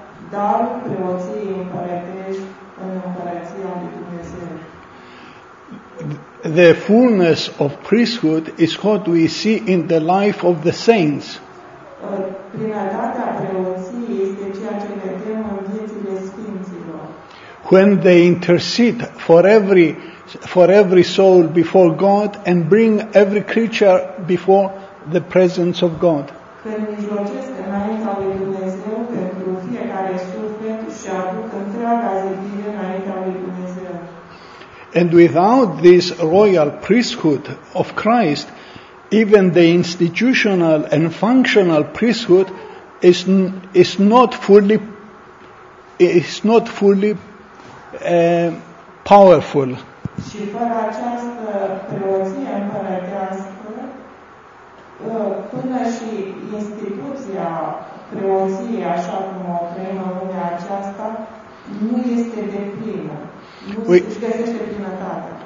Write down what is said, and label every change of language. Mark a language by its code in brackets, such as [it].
[ro] Dar preoții împărătești în împărăția lui Dumnezeu. [en] The fullness of priesthood is what we see in the life of the saints. [ro] Plinătatea preoției este ceea ce vedem în viețile sfinților. [en] When they intercede for every soul before God and bring every creature before the presence of God. [ro] Când mijlocesc înaintea lui Dumnezeu pentru fiecare suflet și aduc întreaga zidire înaintea lui Dumnezeu. [en] And without this royal priesthood of Christ, even the institutional and functional priesthood is not fully powerful. [ro] Și fără această preoție împărătească, până și instituția preoției, așa cum o trăim în lumea aceasta, nu este de plină. Nu își găsește plinătatea.